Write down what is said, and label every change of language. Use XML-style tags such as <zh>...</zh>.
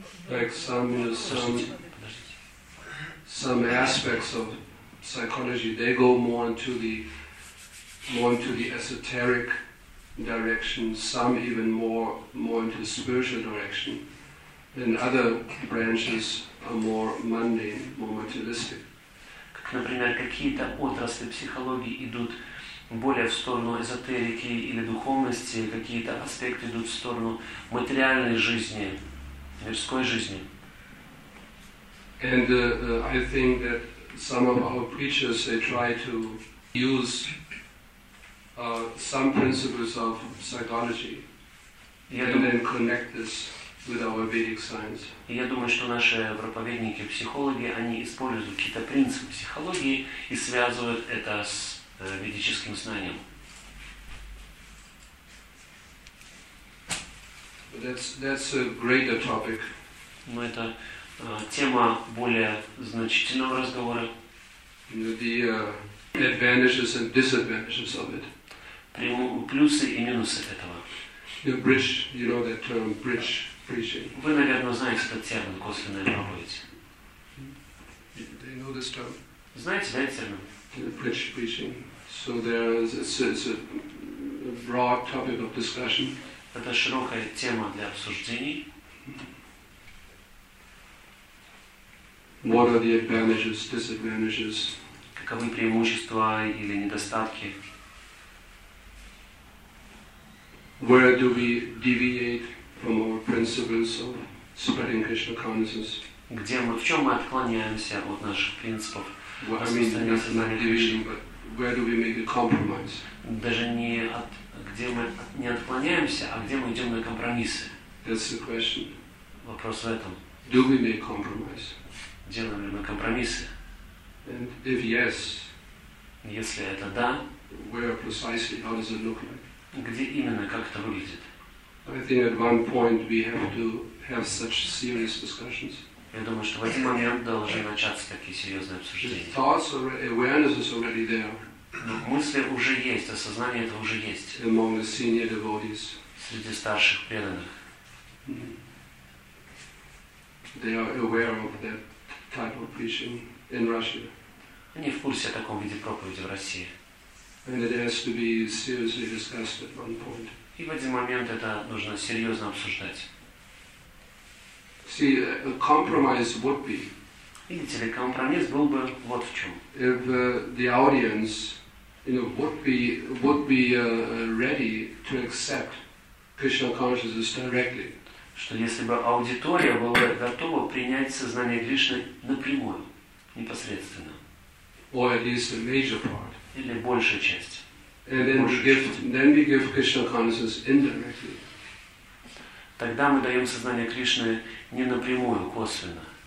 <en>Like some aspects of psychology, they go more into the esoteric direction, some even more into the spiritual direction, and other branches are more mundane, more materialistic.</en> <ru>Как, например, какие-то отрасли психологии идут более в сторону эзотерики или духовности, какие-то аспекты идут в сторону материальной жизни, мирской жизни.</ru> <en>And I think that some of our preachers, they try to use some principles of psychology, and then connect this with our Vedic science.</en> <ru>Я думаю, что наши проповедники, психологи, они используют какие-то принципы психологии и связывают это с ведическим знанием.</ru> <en>That's a greater topic.</en> <ru>Но это тема более значительного разговора.</ru> <en>The advantages and disadvantages of it.</en> <ru>Плюсы и минусы этого.</ru> <en>Bridge, you know that term, bridge preaching.</en> <ru>Вы, наверное, знаете этот термин, косвенная проповедь.</ru> <en>They know this term.</en> <ru>Знаете, да, термин?</ru> <en>Bridge preaching. So there is it's a broad topic of discussion.</en> <ru>Это широкая тема для обсуждений.</ru> <en>What are the advantages, disadvantages?</en> <ru>Каковы преимущества или недостатки?</ru> <en>Where do we deviate from our principles of spreading Krishna consciousness?</en> <ru>Где мы, в чем мы отклоняемся от наших принципов?</ru> <en>Where do we make a compromise?</en> <ru>Даже не от, где мы не отклоняемся, а где мы идем на компромиссы.</ru> <en>That's the question.</en> <ru>Вопрос в этом.</ru> <en>Do we make compromise?</en> <ru>Делаем ли мы компромиссы?</ru> <en>And if yes,</en> <ru>если это да,</ru> <en>where precisely, how does it look like?</en> <ru>Где именно, как это выглядит?</ru> <en>I think at one point we have to have such serious discussions.</en> <ru>Я думаю, что в один момент должны начаться такие серьезные обсуждения.</ru> <en>Thoughts already, awareness is already there.</en> <ru>Мысли уже есть, осознание это уже есть.</ru> <en>Among the senior devotees.</en> <ru>Среди старших преданных.</ru> <en>They are aware of that type of preaching in Russia.</en> <ru>Они в курсе о таком виде проповеди в России.</ru> <en>And it has to be seriously discussed at one point.</en> <ru>И в один момент это нужно серьезно обсуждать.</ru> <en>See, a compromise would be.</en> <ru>Видите ли, компромисс был бы вот в чем.</ru> <en>If the audience, you know, would be ready to accept Krishna consciousness directly.</en> <ru>Что если бы аудитория была готова принять сознание Кришны напрямую, непосредственно.</ru> <en>Or at least a major part.</en> <ru>Или большая часть.</ru> <en>And then we give Krishna consciousness indirectly.</en> <ru>Тогда мы даем сознание Кришны не напрямую, косвенно.</ru>